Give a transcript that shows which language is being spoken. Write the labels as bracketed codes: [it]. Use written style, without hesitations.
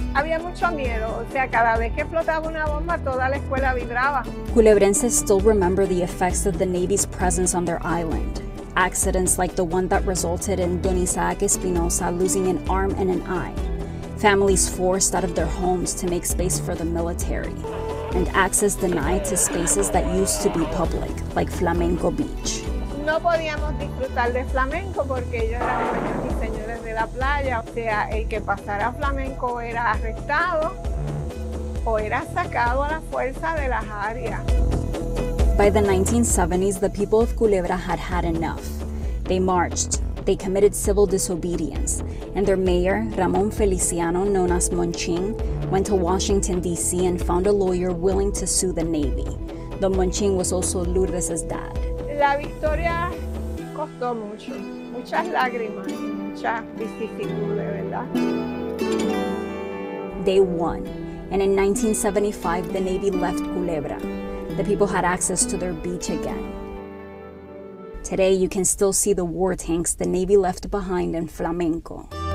[es] Había mucho miedo, o sea, cada vez que explotaba una bomba, toda la escuela vibraba. [en] Culebrenses still remember the effects of the Navy's presence on their island. Accidents like the one that resulted in Don Isaac Espinosa losing an arm and an eye. Families forced out of their homes to make space for the military, and access denied to spaces that used to be public, like Flamenco Beach. [es] No podíamos disfrutar de Flamenco porque ellos eran dueños y señores de la playa. O sea, el que pasara Flamenco era arrestado o era sacado a la fuerza de las áreas. [en] By the 1970s, the people of Culebra had had enough. They marched, they committed civil disobedience, and their mayor, Ramon Feliciano, known as Monchin, went to Washington, D.C. and found a lawyer willing to sue the Navy. Don Monchin was also Lourdes's dad. [es] La victoria costó mucho, muchas lágrimas, muchas vicisitudes, ¿verdad? [en] They won, and in 1975, the Navy left Culebra. the people had access to their beach again. Today, you can still see the war tanks the Navy left behind in Flamenco.